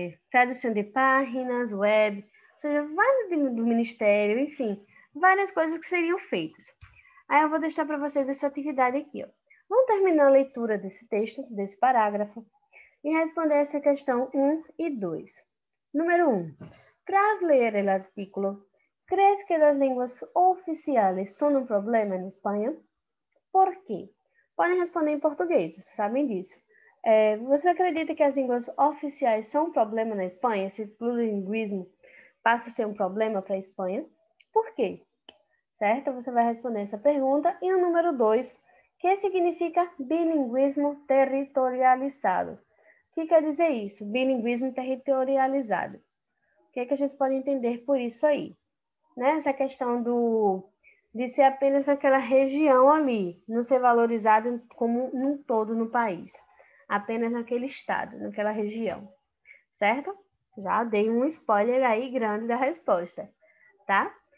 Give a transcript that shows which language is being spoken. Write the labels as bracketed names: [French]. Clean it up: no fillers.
[Portuguese] Tradução de páginas, web, ou seja, do Ministério, enfim, várias coisas que seriam feitas. Aí eu vou deixar para vocês essa atividade aqui, ó. Vamos terminar a leitura desse texto, desse parágrafo, e responder essa questão 1 e 2. Número 1. [Spanish] Tras ler el artículo, ¿crees que las lenguas oficiales son un problema en España? ¿Por qué? Pueden responder en portugués, saben disso. [Portuguese] ¿Você acredita [Spanish] que las lenguas oficiales son un problema en España? ¿Ese plurilingüismo pasa a ser un problema para España? ¿Por qué? ¿Cierto? Você va a responder esa pregunta. Y el número 2, ¿qué significa bilingüismo territorializado? ¿Qué quiere decir eso? Bilingüismo territorializado. [Portuguese] O que a gente pode entender por isso aí? Né? Essa questão de ser apenas aquela região ali, não ser valorizado como num todo no país. Apenas naquele estado, naquela região. Certo? Já dei um spoiler aí grande da resposta. Tá?